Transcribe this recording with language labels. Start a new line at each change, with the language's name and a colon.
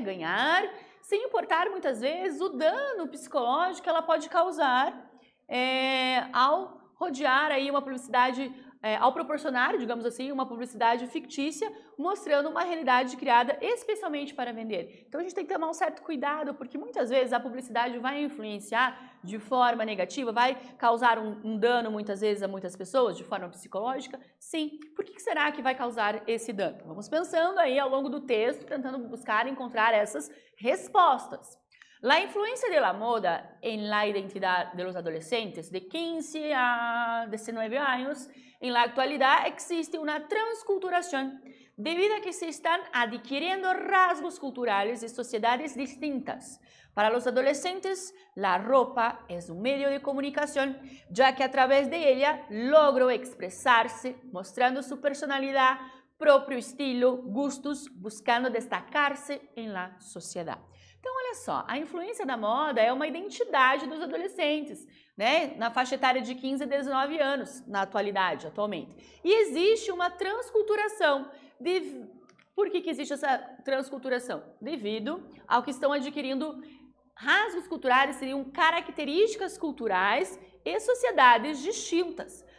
Portuguese: Ganhar, sem importar muitas vezes o dano psicológico que ela pode causar ao rodear aí uma publicidade, ao proporcionar, digamos assim, uma publicidade fictícia, mostrando uma realidade criada especialmente para vender. Então a gente tem que tomar um certo cuidado, porque muitas vezes a publicidade vai influenciar de forma negativa, vai causar um dano muitas vezes a muitas pessoas, de forma psicológica. Sim, por que será que vai causar esse dano? Vamos pensando aí ao longo do texto, tentando buscar encontrar essas respostas.
Spanish: La influencia de la moda en la identidad de los adolescentes de 15 a 19 años en la actualidad existe una transculturación debido a que se están adquiriendo rasgos culturales de sociedades distintas. Para los adolescentes, la ropa es un medio de comunicación, ya que a través de ella logran expresarse mostrando su personalidad, propio estilo, gustos, buscando destacarse en la sociedad.
Portuguese: Então, olha só, a influência da moda é uma identidade dos adolescentes, né? Na faixa etária de 15 a 19 anos, na atualidade, atualmente. E existe uma transculturação. Por que que existe essa transculturação? Devido ao que estão adquirindo rasgos culturais, seriam características culturais e sociedades distintas.